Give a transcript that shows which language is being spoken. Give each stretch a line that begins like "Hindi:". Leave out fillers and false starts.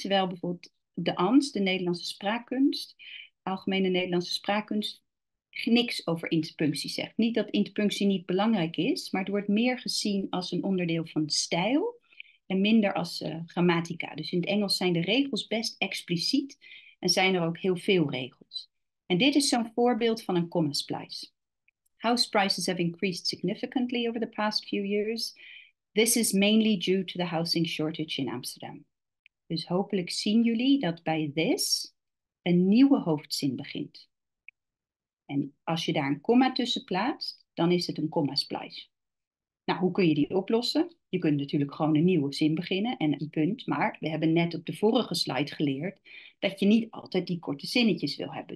Dutch: Terwijl bijvoorbeeld de ANS, de Nederlandse spraakkunst, Algemene Nederlandse Spraakkunst, niks over interpunctie zegt. Niet dat interpunctie niet belangrijk is, maar het wordt meer gezien als een onderdeel van stijl en minder als grammatica. Dus in het Engels zijn de regels best expliciet. En zijn er ook heel veel regels. En dit is zo'n voorbeeld van een comma splice.
English: House prices have increased significantly over the past few years. This is mainly due to the housing shortage in Amsterdam.
Dutch: Dus hopelijk zien jullie dat bij this een nieuwe hoofdzin begint. En als je daar een comma tussen plaatst, dan is het een comma splice. Nou, hoe kun je die oplossen? Je kunt natuurlijk gewoon een nieuwe zin beginnen en een punt. Maar we hebben net op de vorige slide geleerd dat je niet altijd die korte zinnetjes wil hebben.